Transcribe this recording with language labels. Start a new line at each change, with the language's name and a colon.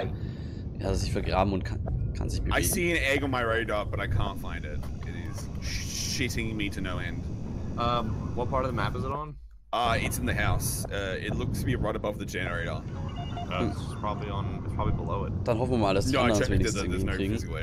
German: Hat er sich vergraben und kann sich bewegen?
English: I see an egg on my radar, but I can't find it. It is shitting me to no end. What part of the map is it on? It's in the house. It looks to be right above the generator. It's probably below it.
German: Dann hoffen wir mal, dass die anderen wenigstens irgendwie hinkriegen.